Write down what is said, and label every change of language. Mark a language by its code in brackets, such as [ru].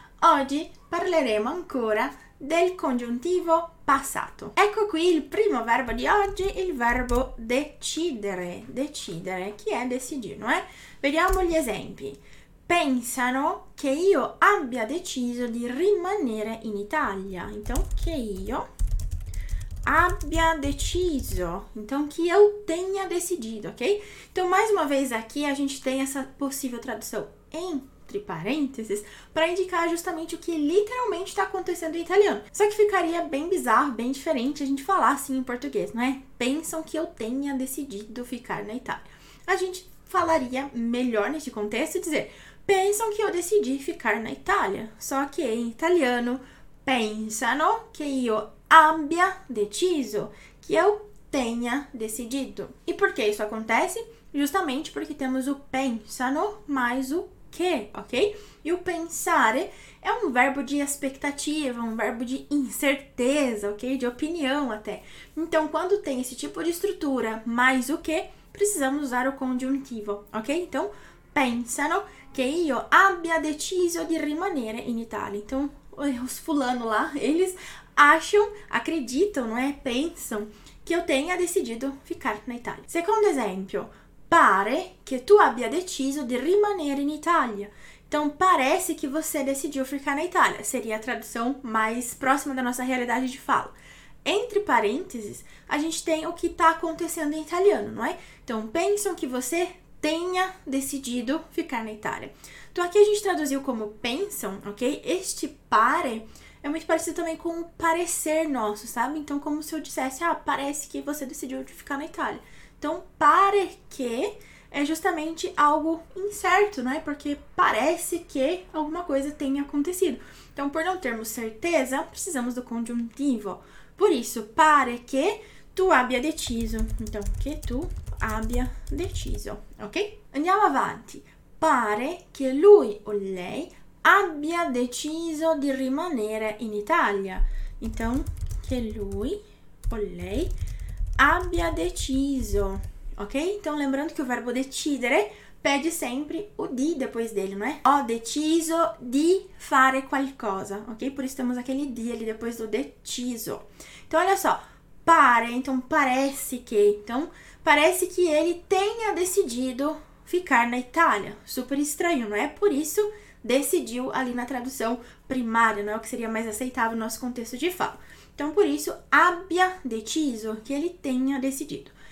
[it] Oggi parleremo ancora del congiuntivo passato. Ecco qui il primo verbo di oggi, il verbo decidere. Decidere, chi è decidino, eh? Vediamo gli esempi. Pensano che io abbia deciso di rimanere in Italia. [pt] Então, [it] che io abbia deciso, [pt] então que eu tenha decidido, ok? Então, mais uma vez aqui, a gente tem essa possível tradução entre parênteses para indicar justamente o que literalmente está acontecendo em italiano. Só que ficaria bem bizarro, bem diferente a gente falar assim em português, não é? Pensam que eu tenha decidido ficar na Itália. A gente falaria melhor nesse contexto dizer: pensam que eu decidi ficar na Itália. Só que em italiano, [it] pensano [pt] que eu [it] abbia deciso, [pt] que eu tenha decidido. E por que isso acontece? Justamente porque temos o pensano mais o que, ok? E o pensare é um verbo de expectativa, um verbo de incerteza, ok? De opinião até. Então, quando tem esse tipo de estrutura mais o que, precisamos usar o conjuntivo, ok? Então, [it] pensano que io abbia deciso di rimanere in Italia. [pt] Então, os fulano lá, eles acham, acreditam, não é? Pensam que eu tenha decidido ficar na Itália. Segundo exemplo, [it] pare que tu abbia deciso de rimanere in Italia. [pt] Então, parece que você decidiu ficar na Itália. Seria a tradução mais próxima da nossa realidade de fala. Entre parênteses, a gente tem o que está acontecendo em italiano, não é? Então, pensam que você tenha decidido ficar na Itália. Então, aqui a gente traduziu como pensam, ok? Este pare é muito parecido também com o parecer nosso, sabe? Então, como se eu dissesse, ah, parece que você decidiu ficar na Itália. Então, pare que é justamente algo incerto, né? Porque parece que alguma coisa tenha acontecido. Então, por não termos certeza, precisamos do conjuntivo. Por isso, [it] pare que tu abbia deciso. [pt] Então, [it] que tu abbia deciso, [pt] ok? [it] Andiamo avanti. Pare che lui o lei abbia deciso di rimanere in Italia. [pt] Então, [it] che lui o lei abbia deciso, [pt] ok? Então, lembrando che o verbo decidere pede sempre o di depois dele, não é? [it] Ho deciso di fare qualcosa, ok? [pt] Por isso temos aquele di ali depois do deciso. Então, olha só. Pare, então parece que. Então, parece que ele tenha decidido ficar na Itália. Super estranho, não é? Por isso, decidiu ali na tradução primária, não é? O que seria mais aceitável no nosso contexto de fala. Então, por isso, [it] abbia deciso, [pt] que ele tenha decidido.